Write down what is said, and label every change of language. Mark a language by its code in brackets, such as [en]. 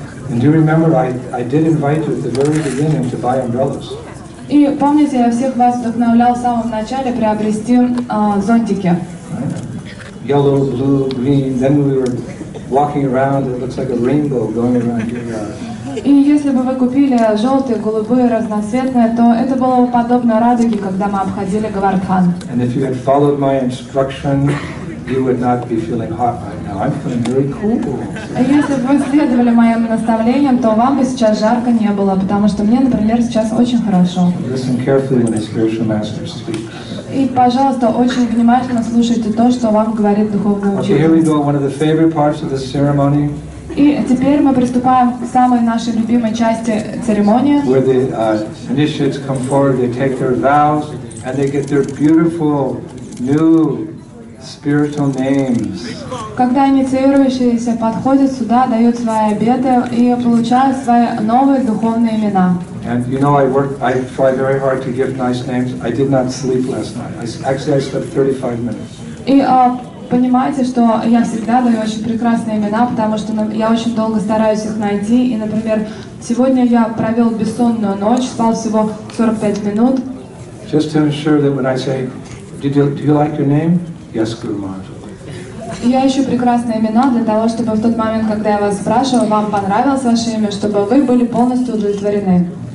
[en] And do you remember, I did invite you at the very beginning to buy umbrellas. [ru] И помните, я всех вас вдохновлял в самом начале приобрести зонтики. [en] yellow, blue, green. Then we were walking around, it looks like a rainbow going around your yard. [ru] И если бы вы купили желтые, голубые, разноцветные, то это было бы подобно радуге, когда мы обходили Говардхан. [en] And if you had followed my instruction, you would not be feeling hot right now. I'm feeling very cool. [ru] Если бы вы следовали моим наставлениям, то вам бы сейчас жарко не было, потому что мне, например, сейчас очень хорошо. [en] Listen carefully when the spiritual master speaks. [ru] И, пожалуйста, очень внимательно слушайте то, что вам говорит духовный учитель. [en] Okay, here we go. One of the favorite parts of the ceremony. [ru] И теперь мы приступаем к самой нашей любимой части церемонии. [en] Where the initiates come forward, they take their vows, and they get their beautiful new spiritual names. [ru] Когда инициирующиеся подходят сюда, дают свои обеты и получают свои новые духовные имена. [en] And you know, I try very hard to give nice names. I did not sleep last night. I slept 35 minutes. [ru] И понимаете, что я всегда даю очень прекрасные имена, потому что я очень долго стараюсь их найти. И, например, сегодня я провел бессонную ночь, спал всего 45 минут. [en] Just to ensure that when I say, do you like your name? Yes, Guru Maharaj. [ru] Я ищу прекрасные имена для того, чтобы в тот момент, когда я вас спрашиваю, вам понравилось ваше имя, чтобы вы были полностью удовлетворены.